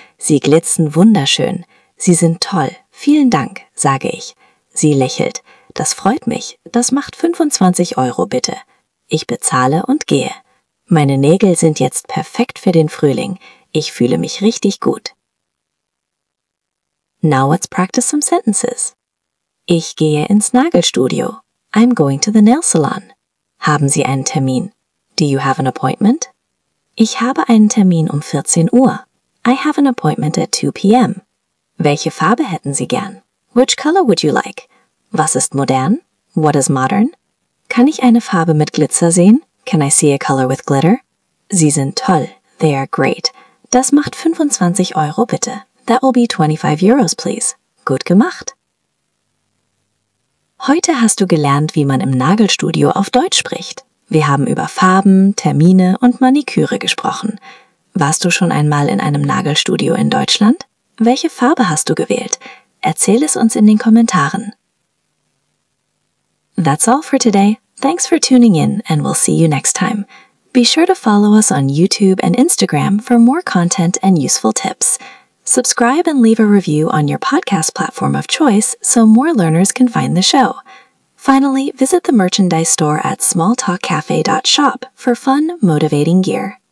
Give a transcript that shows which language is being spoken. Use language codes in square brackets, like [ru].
[de] Sie glitzen wunderschön. Sie sind toll. Vielen Dank, sage ich. Sie lächelt. Das freut mich. Das macht 25 Euro, bitte. Ich bezahle und gehe. Meine Nägel sind jetzt perfekt für den Frühling. Ich fühle mich richtig gut. [en] Now let's practice some sentences. [de] Ich gehe ins Nagelstudio. [en] I'm going to the nail salon. [de] Haben Sie einen Termin? [en] Do you have an appointment? [de] Ich habe einen Termin um 14 Uhr. [en] I have an appointment at 2 p.m. [de] Welche Farbe hätten Sie gern? [en] Which color would you like? [de] Was ist modern? [en] What is modern? [de] Kann ich eine Farbe mit Glitzer sehen? [en] Can I see a color with glitter? [de] Sie sind toll. [en] They are great. [de] Das macht 25 Euro, bitte. [en] That will be 25 euros, please. [de] Gut gemacht. Heute hast du gelernt, wie man im Nagelstudio auf Deutsch spricht. Wir haben über Farben, Termine und Maniküre gesprochen. Warst du schon einmal in einem Nagelstudio in Deutschland? Welche Farbe hast du gewählt? Erzähl es uns in den Kommentaren. [en] That's all for today. Thanks for tuning in and we'll see you next time. Be sure to follow us on YouTube and Instagram for more content and useful tips. Subscribe and leave a review on your podcast platform of choice so more learners can find the show. Finally, visit the merchandise store at smalltalkcafe.shop for fun, motivating gear.